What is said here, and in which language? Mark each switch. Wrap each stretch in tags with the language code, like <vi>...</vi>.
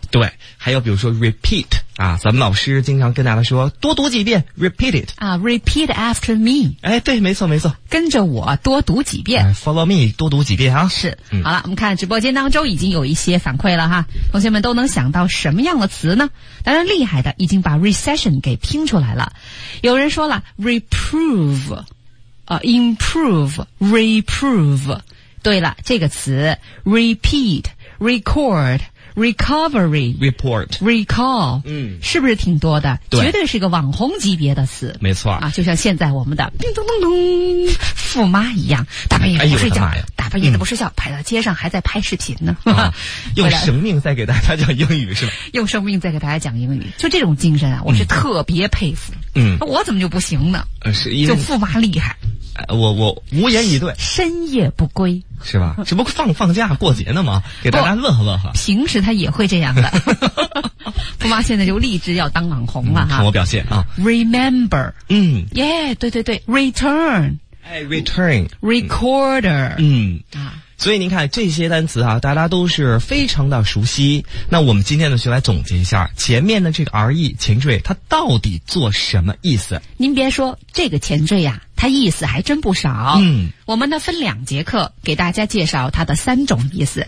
<zh>对，还有比如说 repeat, 啊咱们老师经常跟大家说多读几遍 ,</zh> <en>repeat it, 啊 ,repeat after me,</en> <zh>哎对没错没错。跟着我多读几遍、 ,</zh> <en>follow me,</en> <zh>多读几遍啊。是、嗯、好了，我们看直播间当中已经有一些反馈了哈，同学们都能想到什么样的词呢？当然厉害的已经把 recession 给拼出来了。有人说了 reprove, improve, reprove, 对了这个词 repeat, record, recovery,</zh> <en>report, recall, 嗯，</en> <zh>是不是挺多的？对，绝对是个网红级别的词。没错啊，就像现在我们的叮咚咚咚富妈一样，大半夜不睡觉、哎、大半夜都不睡觉、嗯、排到街上还在拍视频呢、啊、用生命在给大家讲英语是吧？用生命在给大家讲英语，就这种精神啊我是特别佩服。嗯，我怎么就不行呢？是因为就富妈厉害。我无言以对。深夜不归是吧？这不放假过节呢吗？给大家乐呵乐呵。平时他也会这样的。富妈现在就立志要当网红了哈、嗯、看我表现啊。</zh> <en>Remember, 嗯</en> <zh>yeah, 对对对 ,return,</zh> <en>return, recorder,</en> <zh>嗯, 嗯所以您看这些单词啊大家都是非常的熟悉。那我们今天呢就来总结一下前面的这个 RE 前缀它到底做什么意思。您别说这个前缀啊它意思还真不少。嗯，我们呢分两节课给大家介绍它的三种意思。</zh>